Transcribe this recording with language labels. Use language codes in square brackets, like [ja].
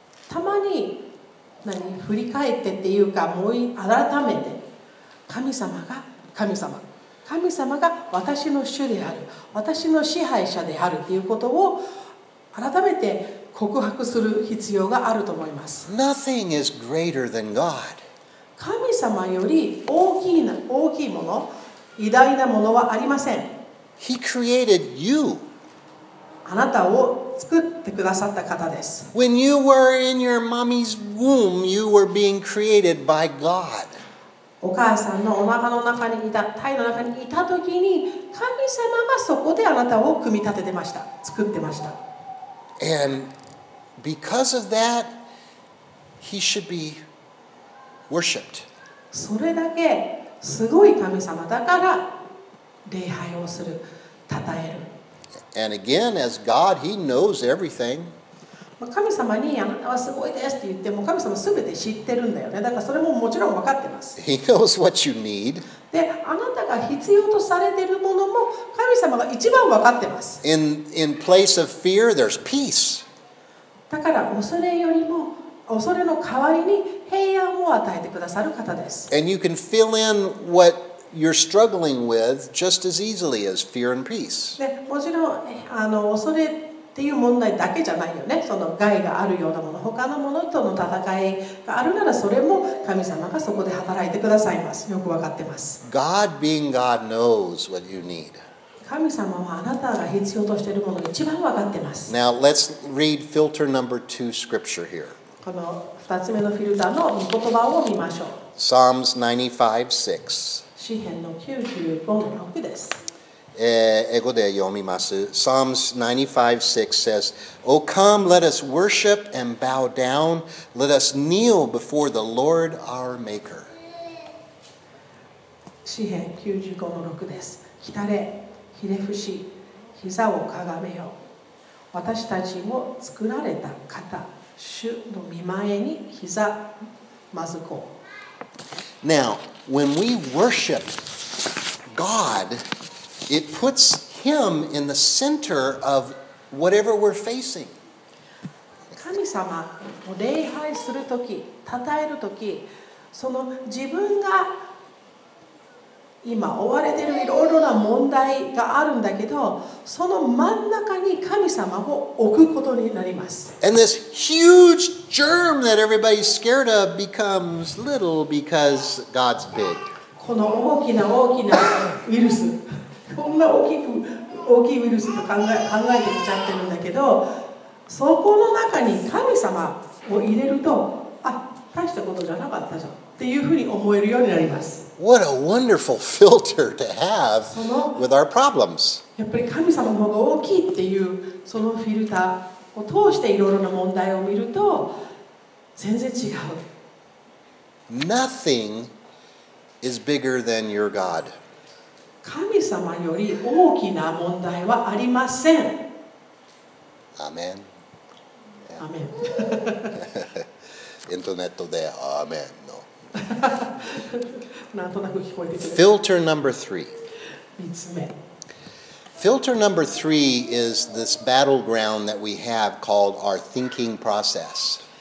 [ja] たまに振り返ってっていうか、もう改めて神様が神様、神様が私の主である、私の支配者であるということを改めて告白する必要があると思います。 [en] Nothing is greater than God. [ja] 神様より大きな、大きいもの、偉大なものはありません。 [en] He created you. [ja] あなたを作ってくださった方です。 [en] When you were in your mommy's womb, you were being created by God. [ja] お母さんのお腹の中にいた、胎の中にいた時に、神様がそこであなたを組み立ててました、作ってました。 [en] And because of that, he should be worshipped. [ja] それだけすごい神様だから礼拝をする、讃える。 [en] And again, as God, He knows everything. [ja] 神様にあなたはすごいですって言っても、神様すべて知ってるんだよね。だからそれももちろん分かってます。 [en] He knows what you need. [ja] で、あなたが必要とされているものも神様が一番分かってます。 [en] In place of fear, there's peace. [ja] だから恐れよりも恐れの代わりに平安を与えてくださる方です。 [en] And you can fill in what. You're struggling with just as easily as fear and peace. [ja] もちろん、恐れっていう問題だけじゃないよね。その害があるようなもの、他のものとの戦いがあるなら、それも神様がそこで働いてくださいます。よくわかってます。 [en] God being God knows what you need. [ja] 神様はあなたが必要としているものを一番わかってます。 [en] Now let's read filter number two scripture here. [ja] この二つ目のフィルターの御言葉を見ましょう。 [en] Psalms 95:6. [ja] 詩編の95:6です。英語で読みます。 [en] Psalms 95:6 says, O come, let us worship and bow down. Let us kneel before the Lord our Maker. [ja] 詩編95:6です。来たれ、ひれ伏し、膝をかがめよ。私たちを作られた方、主の御前に膝まずこう。 [en] Now,When we worship God, it puts Him in the center of whatever we're facing. [ja] 神様を礼拝するとき、称えるとき、その自分が今追われているいろいろな問題があるんだけど、その真ん中に神様を置くことになります。 [en] And this huge germ that everybody's scared of becomes little because God's big. [ja] この大きな大きなウイルス、こんな大きく大きいウイルスと考えてきちゃってるんだけど、そこの中に神様を入れると、あ、大したことじゃなかったじゃん。 [en] What a wonderful filter to have with our problems. [ja] やっぱり神様の方が大きいっていうそのフィルターを通していろいろな問題を見ると全然違う。 [en] Nothing is bigger than your God. [ja] 神様より大きな問題はありません。 [en] Amen. Amen. [ja] Internet で Amen. なんとなく聞こえてくる。 [en] Filter number three. [ja] 3つ目。 [en] Filter number three is this battleground that we have called our thinking process.